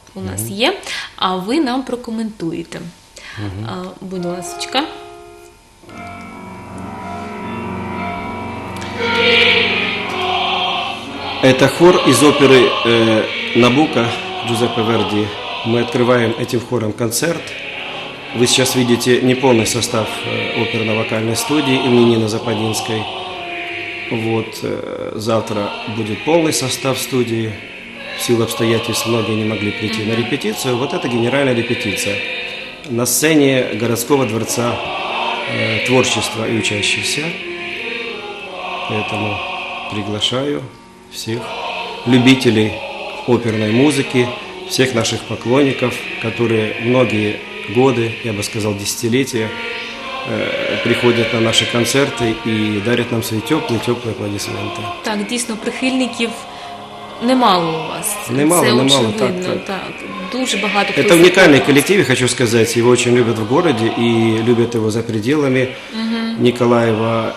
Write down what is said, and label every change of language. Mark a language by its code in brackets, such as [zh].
[uk] У нас є, а ви нам прокоментуєте. Будь ласочка. Це хор із опери Набука Джузеппе Верді. [ru] Мы открываем этим хором концерт. Вы сейчас видите неполный состав оперно-вокальной студии имени Нины Западинской. Вот, завтра будет полный состав студии. В силу обстоятельств многие не могли прийти на репетицию. Вот это генеральная репетиция на сцене городского дворца творчества и учащихся. Поэтому приглашаю всех любителей оперной музыки, всех наших поклонников, которые многие годы, я бы сказал, десятилетия, приходят на наши концерты и дарят нам свои теплые аплодисменты. [uk] Так, дійсно, прихильників немало у вас. Немало, очевидно, так. Дуже багато. Это унікальний колектив, я хочу сказати. [ru] Його очень любят в городе и любят его за пределами Николаева.